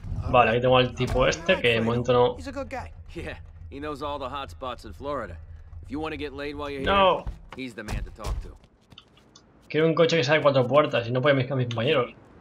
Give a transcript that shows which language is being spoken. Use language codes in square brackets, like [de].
[es] Vale, aquí tengo al tipo este que de momento no. [en] He's a good guy. Yeah, he knows all the hot spots in Florida. If you want to get laid while you're no. here, he's the man to talk to. [es] Quiero un coche que sea de cuatro puertas y no puede mezclar a mis compañeros.